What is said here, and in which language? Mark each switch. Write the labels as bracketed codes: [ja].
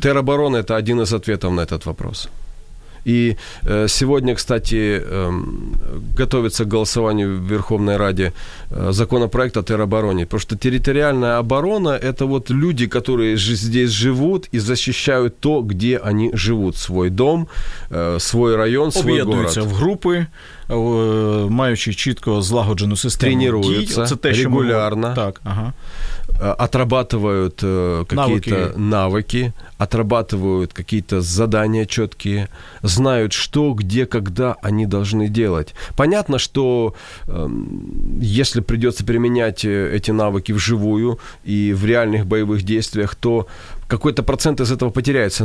[ru] Тероборона – это один из ответов на этот вопрос. И сегодня, кстати, готовится к голосованию в Верховной Раде законопроект о теробороне. Потому что территориальная оборона – это вот люди, которые здесь живут и защищают то, где они живут. Свой дом, свой район, свой город. [uk] Об'єднуються в группы, маючи чітко злагоджену систему. [ru] Тренируются регулярно. [uk] Так, ага. [ru] Отрабатывают какие-то навыки, отрабатывают какие-то задания четкие, знают, что, где, когда они должны делать. Понятно, что если придется применять эти навыки вживую и в реальных боевых действиях, то какой-то процент из этого потеряется.